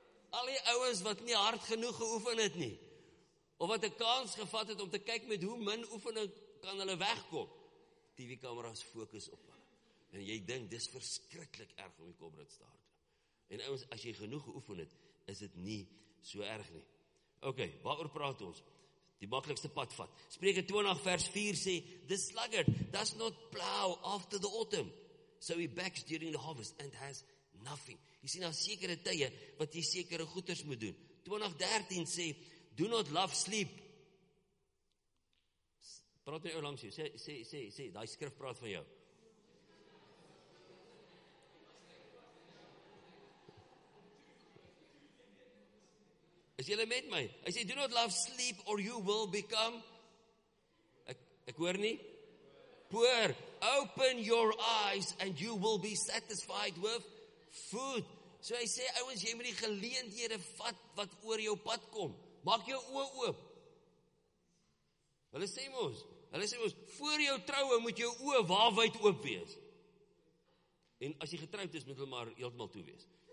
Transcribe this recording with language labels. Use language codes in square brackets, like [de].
[af] Al die ouens wat nie hard genoeg geoefen het nie, of wat 'n kans gevat het om te kyk met hoe min oefening kan hulle wegkom, TV-kameras fokus op hulle. En jy dink, dis verskriklik erg om die Comrades te hardloop. En ouens, as jy genoeg geoefen het, is dit nie so erg nie. Ok, waaroor praat ons? Die maklikste pad vat. Spreuke 20 vers 4 sê, [en] the sluggard does not plow after the autumn, so he backs during the harvest and has nothing. [af] Jy sien al sekere tye wat jy sekere goeders moet doen. 20:13 sê, [en] do not love sleep. [af] Praat nie ou langs jou. Sê, die skrif praat van jou. Is jy met my? Hy sê, [en] do not love sleep or you will become, [af] ek hoor nie, poor. [en] Open your eyes and you will be satisfied with food. [af] So hy sê, ouens, jy moet die geleenthede vat wat oor jou pad kom. Maak jou oë oop. Hulle sê mos, voor jou troue moet jou oë waarwyd oop wees. En as jy getroud is, moet hulle maar heeltemal toe wees.